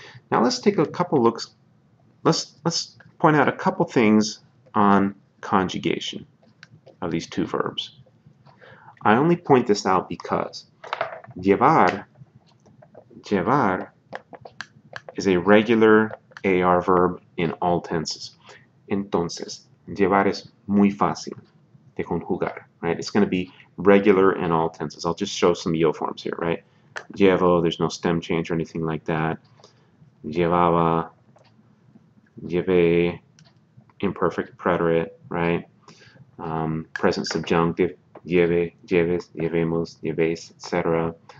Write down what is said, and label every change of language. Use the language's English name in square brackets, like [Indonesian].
[English] Now let's take a couple looks. Let's point out a couple things on conjugation of these two verbs. I only point this out because llevar is a regular AR verb in all tenses. [Spanish] Entonces, llevar es muy fácil de conjugar, right? [English] It's going to be regular in all tenses. I'll just show some yo forms here, right? Llevo, there's no stem change or anything like that. Llevaba, llevé, imperfect preterite, right? [Spanish] Present subjunctive. Lleve, lleves, llevemos, lleves, etc.